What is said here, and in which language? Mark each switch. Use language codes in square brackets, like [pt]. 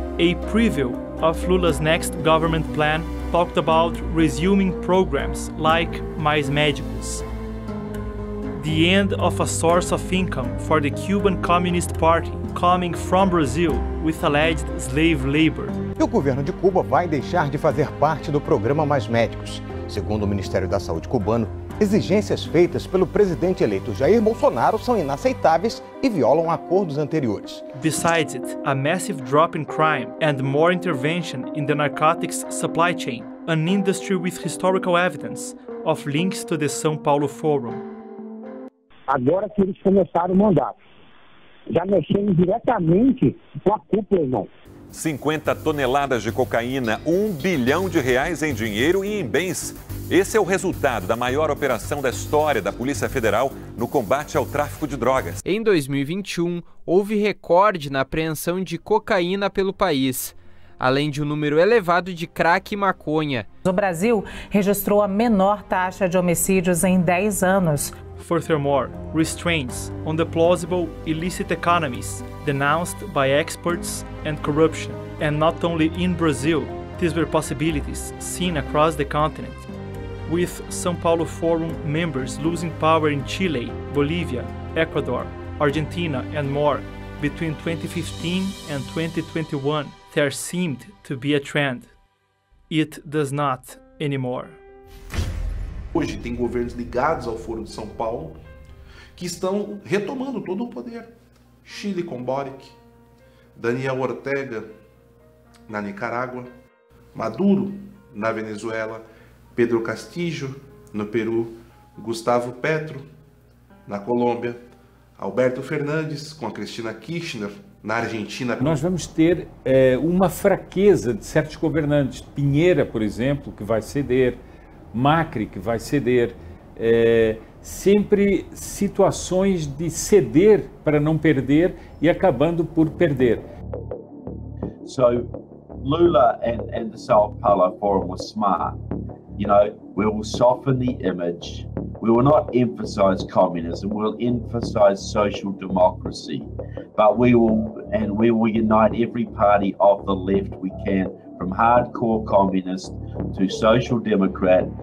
[en] A preview of Lula's next government plan talked about resuming programs like Mais Médicos. The end of a source of income for the Cuban Communist Party coming from Brazil with alleged slave labor. [pt] O governo de Cuba vai deixar de fazer parte do programa Mais Médicos. Segundo o Ministério da Saúde cubano, exigências feitas pelo presidente eleito Jair Bolsonaro são inaceitáveis e violam acordos anteriores. [en] Besides it, a massive drop in crime and more intervention in the narcotics supply chain, an industry with historical evidence of links to the São Paulo Forum. [pt] Agora que eles começaram o mandato, já mexendo diretamente com a cúpula, irmão. 50 toneladas de cocaína, 1 bilhão de reais em dinheiro e em bens. Esse é o resultado da maior operação da história da Polícia Federal no combate ao tráfico de drogas. Em 2021, houve recorde na apreensão de cocaína pelo país, além de um número elevado de crack e maconha. O Brasil registrou a menor taxa de homicídios em 10 anos. [en] Furthermore, restraints on the plausible illicit economies denounced by experts and corruption. And not only in Brazil, these were possibilities seen across the continent. With São Paulo Forum members losing power in Chile, Bolivia, Ecuador, Argentina and more, between 2015 and 2021, there seemed to be a trend. It does not anymore. [pt] Hoje tem governos ligados ao Foro de São Paulo que estão retomando todo o poder. Chile com Boric, Daniel Ortega na Nicarágua, Maduro na Venezuela, Pedro Castillo no Peru, Gustavo Petro na Colômbia, Alberto Fernandes com a Cristina Kirchner na Argentina. Nós vamos ter uma fraqueza de certos governantes. Pinheira, por exemplo, que vai ceder. Macri, que vai ceder, sempre situações de ceder para não perder e acabando por perder. [en] So, Lula and the São Paulo Forum were smart. You know, we will soften the image. We will not emphasize communism. We'll emphasize social democracy. But we will unite every party of the left we can, from hardcore communist to social democrat.